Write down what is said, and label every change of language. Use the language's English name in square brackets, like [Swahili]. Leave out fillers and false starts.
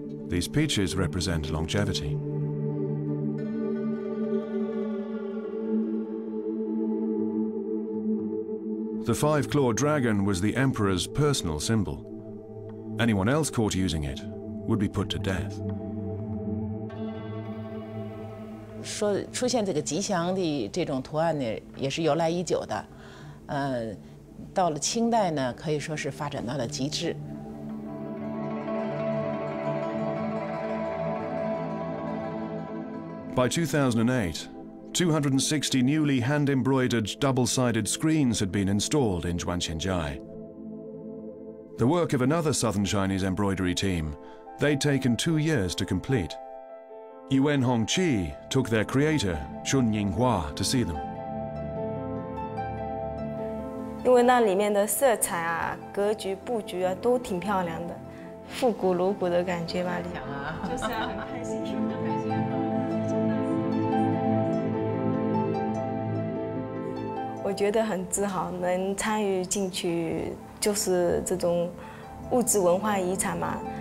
[English] These peaches represent longevity. The five-clawed dragon was the emperor's personal symbol. Anyone else caught using it would be put to death. [Chinese] 说出现这个吉祥的这种图案呢，也是由来已久的，到了清代呢，可以说是发展到了极致。 [English] By 2008, 260 newly hand-embroidered double-sided screens had been installed in Juanqinzhai. The work of another Southern Chinese embroidery team, they'd taken 2 years to complete. Yuan Hongqi took their creator Chun Yinghua to see them. [Chinese] 因为那里面的色彩啊、格局、布局啊，都挺漂亮的，复古鲁古的感觉吧，就是很开心。我觉得很自豪，能参与进去，就是这种物质文化遗产嘛。